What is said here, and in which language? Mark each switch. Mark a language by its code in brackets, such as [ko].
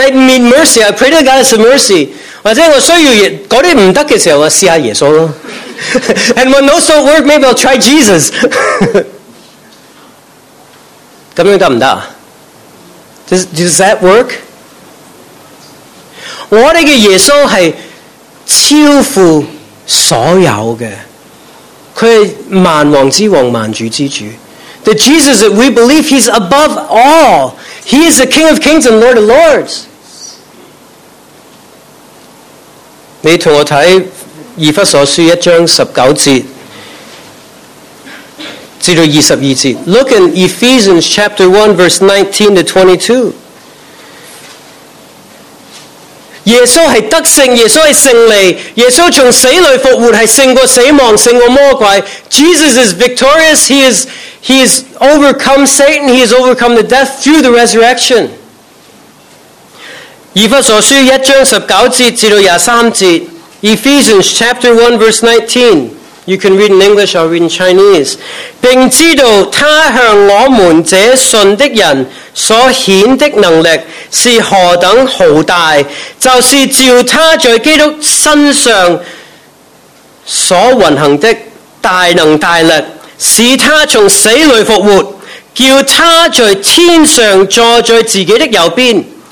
[en] I need mercy, I pray to the goddess of mercy. [yue] 或者我需要嗰啲唔得嘅时候，我试下耶稣咯。 [en] And when those don't work, maybe I'll try Jesus. [yue] 咁样得唔得？ [en] Does that work? [yue] 我哋嘅耶稣系超乎所有嘅，佢系万王之王、万主之主。 [en] The Jesus that we believe, he's above all. He is the King of Kings and Lord of Lords. [yue] 你同我睇以弗所书一章十九节至到二十二节。 [en] Look in Ephesians chapter 1 verse 19 to 22. [yue] 耶稣是得胜，耶稣是胜利，耶稣从死里复活，是胜过死亡，胜过魔鬼。 [en] Jesus is victorious. He is overcome Satan. He has overcome the death through the resurrection. [yue] 以弗所书一章十九节至到廿三节。 [en] Ephesians chapter 1 verse 19. You can read in English or read in Chinese. [yue] 并知道他向我们这信的人所显的能力是何等浩大，就是照他在基督身上所运行的大能大力，使他从死里复活，叫他在天上坐在自己的右边，